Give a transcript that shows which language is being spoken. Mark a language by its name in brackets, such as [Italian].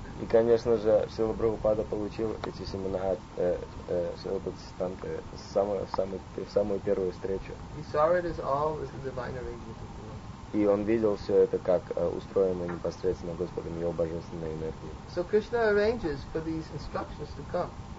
[Russian] И, конечно же, Шрила Прабхупада получил эти семена от Шрилы Бхактисиддханты в самую первую встречу. [English] He saw it as all as the divine arrangement. [Russian] И он видел все это как устроено непосредственно Господом, его божественной энергией. [English] So Krishna arranges for these instructions to come.